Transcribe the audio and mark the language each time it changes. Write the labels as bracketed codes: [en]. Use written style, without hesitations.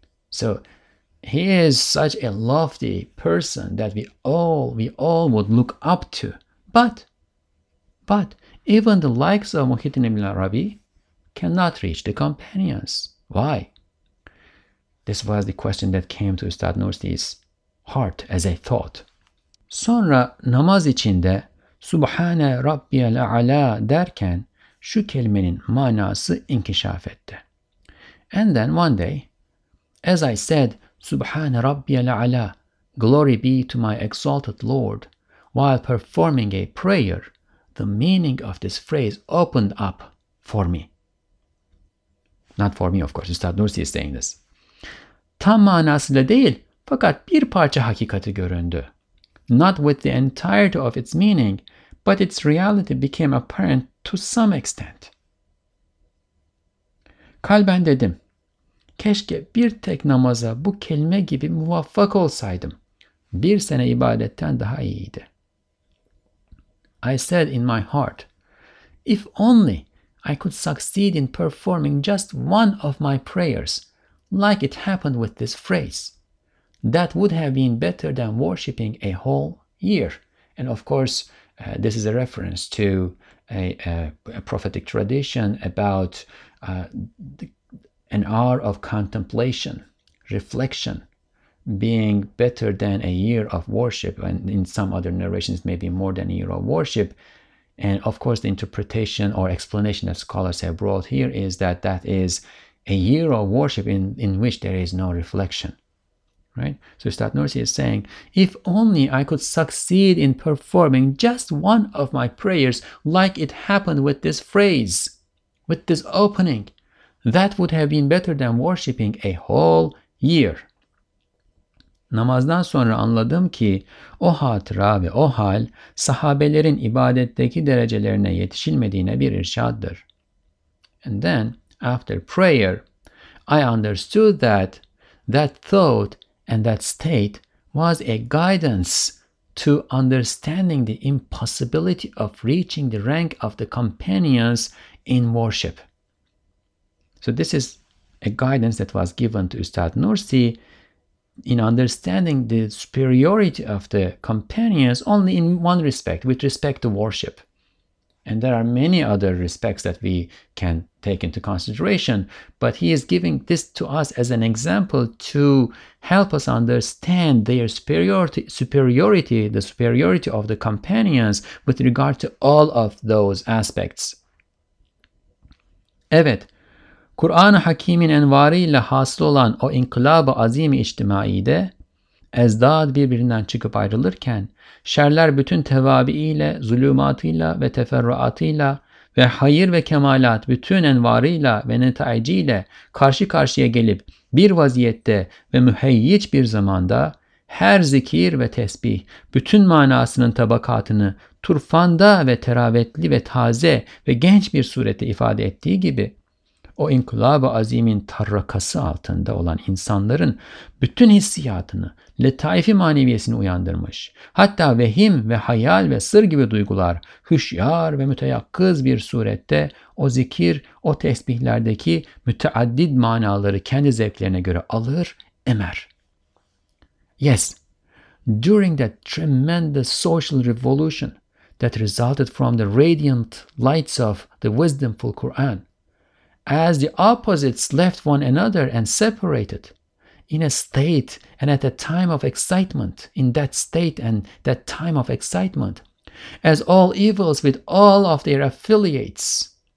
[en] So he is such a lofty person that we all would look up to. But even the likes of Muhiddin ibn al-Arabi cannot reach the companions. Why? This was the question that came to Üstad Nursi's heart as a thought. [tr] Sonra namaz içinde [ar] Subhane Rabbiyal A'la [tr] derken şu kelimenin manası inkişaf etti. [en] And then one day, as I said, [ar] Subhana Rabbiyal A'la, [en] glory be to my exalted Lord, while performing a prayer, the meaning of this phrase opened up for me. Not for me, of course, Üstad Nursi is saying this. [tr] Tam manasıyla değil, fakat bir parça hakikati göründü. [en] Not with the entirety of its meaning, but its reality became apparent to some extent. [tr] Kalben dedim, keşke bir tek namaza bu kelime gibi muvaffak olsaydım. Bir sene ibadetten daha iyiydi. [en] I said in my heart, if only I could succeed in performing just one of my prayers, like it happened with this phrase, that would have been better than worshipping a whole year. And of course, this is a reference to a prophetic tradition about an hour of contemplation, reflection, being better than a year of worship. And in some other narrations, maybe more than a year of worship. And of course, the interpretation or explanation that scholars have brought here is that that is a year of worship in which there is no reflection. Right? So Üstad Nursi is saying, if only I could succeed in performing just one of my prayers like it happened with this phrase, with this opening, that would have been better than worshipping a whole year. [tr] Namazdan sonra anladım ki o hatıra ve o hal sahabelerin ibadetteki derecelerine yetişilmediğine bir irşaddır. [en] And then, after prayer, I understood that thought and that state was a guidance to understanding the impossibility of reaching the rank of the companions in worship. So this is a guidance that was given to Üstad Nursi in understanding the superiority of the companions only in one respect, with respect to worship. And there are many other respects that we can take into consideration, but he is giving this to us as an example to help us understand their superiority, the superiority of the companions with regard to all of those aspects. [tr] Evet, Kur'an-ı Hakîm'in envarıyla hasıl olan o inkılab-ı azim-i içtimaide, ezdad birbirinden çıkıp ayrılırken, şerler bütün tevabiiyle, zulümatıyla ve teferruatıyla ve hayır ve kemalat bütün envarıyla ve netaiciyle karşı karşıya gelip bir vaziyette ve müheyyiç bir zamanda her zikir ve tesbih bütün manasının tabakatını turfanda ve teravetli ve taze ve genç bir surette ifade ettiği gibi, o inkılab-ı azimin tarrakası altında olan insanların bütün hissiyatını, letaifi maneviyesini uyandırmış. Hatta vehim ve hayal ve sır gibi duygular hüşyar ve müteyakkız bir surette o zikir, o tesbihlerdeki müteaddid manaları kendi zevklerine göre alır, emer. [en] Yes, during that tremendous social revolution that resulted from the radiant lights of the wisdomful Quran, as the opposites left one another and separated, in a state and at a time of excitement, in that state and that time of excitement, as all evils with all of their affiliates,